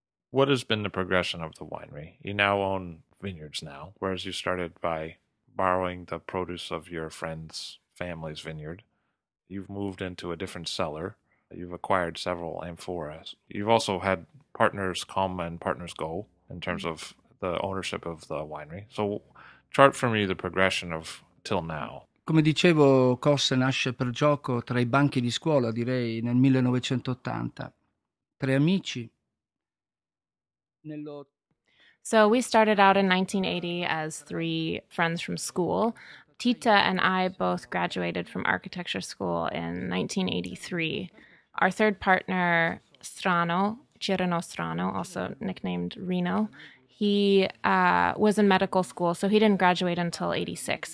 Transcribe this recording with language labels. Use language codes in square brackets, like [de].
[en] What has been the progression of the winery? You now own vineyards now, whereas you started by borrowing the produce of your friend's family's vineyard. You've moved into a different cellar. You've acquired several amphoras. You've also had partners come and partners go in terms of the ownership of the winery. So chart for me the progression of till now. [it] Come dicevo, Cosse nasce per gioco tra i banchi di scuola, direi, nel 1980. Tre amici. [en] So we started out in 1980 as three friends from school. Tita and I both graduated from architecture school in 1983. Our third partner, Strano, Cirino Strano, also nicknamed Rino, He was in medical school, so he didn't graduate until 86.